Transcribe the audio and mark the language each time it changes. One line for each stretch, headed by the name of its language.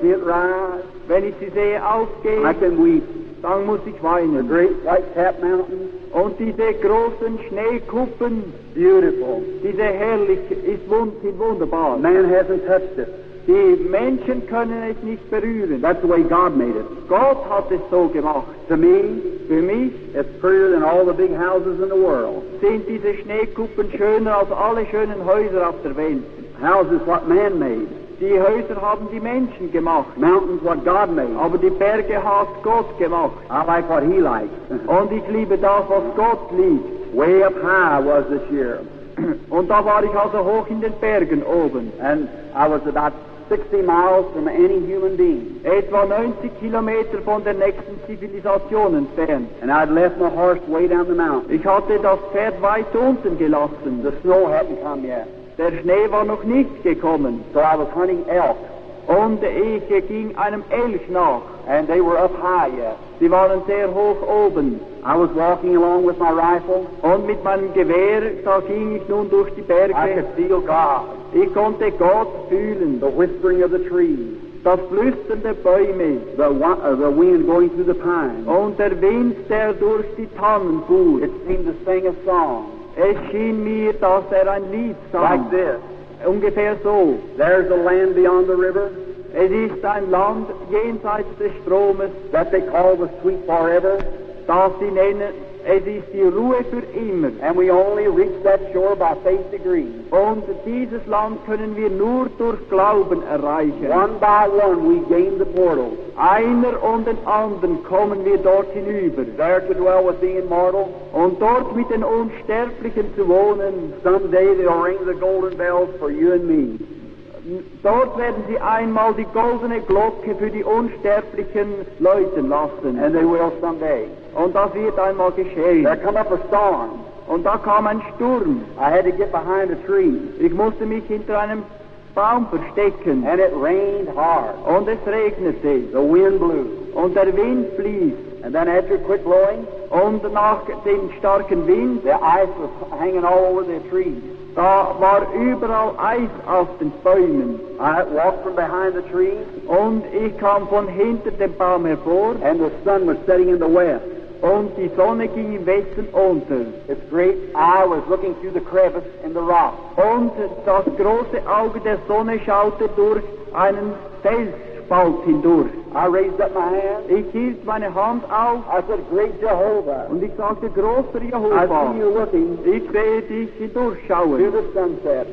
English: See it rise.
German: Wenn ich sie sehe aufgehen.
English: I can weep.
German: Dann muss ich weinen.
English: The great white cap mountains.
German: Und diese großen Schneekuppen.
English: Beautiful.
German: Diese herrliche, ist wunderbar.
English: Man hasn't touched it.
German: Die Menschen können es nicht berühren.
English: That's the way God made it.
German: Gott hat es so gemacht.
English: To me,
German: für mich,
English: it's prettier than all the big houses in the world.
German: Sind diese Schneekuppen schöner als alle schönen Häuser auf der Welt?
English: Houses what man made.
German: Die Häuser haben die Menschen gemacht.
English: Mountains what God made.
German: Aber die Berge hat Gott gemacht.
English: I like what he likes.
German: Und ich liebe das, was Gott liebt.
English: Way up high was this year.
German: Und da war ich also hoch in den Bergen oben.
English: And I was about 60 miles from any human being.
German: Etwa 90 Kilometer von der nächsten Zivilisation entfernt.
English: And I'd left my horse way down the mountain.
German: Ich hatte das Pferd weit unten gelassen.
English: The snow hadn't come yet.
German: Der Schnee war noch nicht gekommen.
English: So I was hunting elk.
German: Und ich ging einem Elch nach.
English: And they were up high yet.
German: Sie waren sehr hoch oben.
English: I was walking along with my rifle.
German: Und mit meinem Gewehr, da ging ich nun durch die Berge.
English: I could feel God.
German: Ich konnte Gott fühlen.
English: The whispering of the trees.
German: Das Flüstern der Bäume.
English: The wind going through the pines.
German: Und der Wind, der durch die Tannen fuhr.
English: It seemed to sing a song.
German: Es schien mir, dass ein Lied sang.
English: Like this.
German: Ungefähr so.
English: There's a land beyond the river.
German: Es ist ein Land jenseits des Stromes,
English: that they call the sweet forever,
German: das sie nennen, es ist die Ruhe für immer.
English: And we only reach that shore by faith degree.
German: Und dieses Land können wir nur durch Glauben erreichen.
English: One by one we gain the portal.
German: Einer und den anderen kommen wir dort hinüber.
English: There to dwell with the immortal.
German: Und dort mit den Unsterblichen zu wohnen.
English: Someday they'll ring the golden bells for you and me.
German: Dort werden sie einmal die goldene Glocke für die Unsterblichen läuten lassen.
English: And they will someday.
German: Und das wird einmal geschehen.
English: There come up a storm.
German: Und da kam ein Sturm.
English: I had to get behind a tree.
German: Ich musste mich hinter einem Baum verstecken.
English: And it rained hard.
German: Und es regnete.
English: The wind blew.
German: Und der Wind blies.
English: And then after quick blowing.
German: Und nach dem starken Wind.
English: The ice was hanging all over the trees.
German: Da war überall Eis auf den Bäumen.
English: I walked from behind the tree.
German: Und ich kam von hinter dem Baum hervor.
English: And the sun was setting in the west.
German: Und die Sonne ging im Westen unter.
English: It's great. I was looking through the crevice in the rock.
German: Und das große Auge der Sonne schaute durch einen Felsspalt hindurch.
English: I raised up my hand.
German: Ich hielt meine Hand auf.
English: I said, great Jehovah.
German: Und ich sagte, großer Jehovah.
English: I see you looking.
German: Ich sehe dich hindurchschauen.
English: Through the sunset.